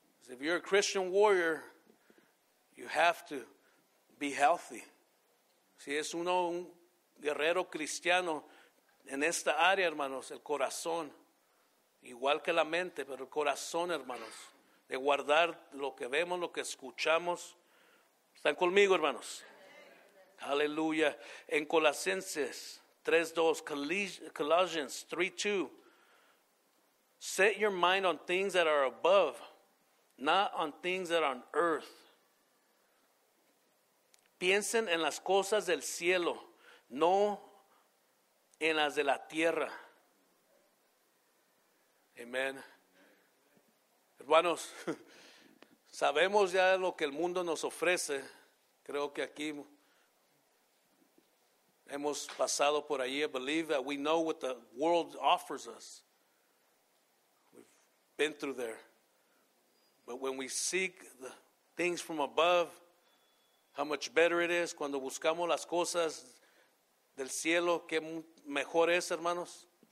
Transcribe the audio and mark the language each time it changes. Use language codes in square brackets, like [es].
[en] If you're a Christian warrior, you have to be healthy. [es] Si es uno un guerrero cristiano en esta área, hermanos, el corazón, igual que la mente, pero el corazón, hermanos, de guardar lo que vemos, lo que escuchamos. ¿Están conmigo, hermanos? Aleluya. En Colosenses 3:2, [en] Colossians 3:2, set your mind on things that are above, not on things that are on earth. [es] Piensen en las cosas del cielo, no en las de la tierra. Amen. Hermanos, sabemos ya lo que el mundo nos ofrece. Creo que aquí hemos pasado por allí. [en] I believe that we know what the world offers us. We've been through there. But when we seek the things from above, how much better it is. [es] Cuando buscamos las cosas del cielo, qué mejor es, hermanos.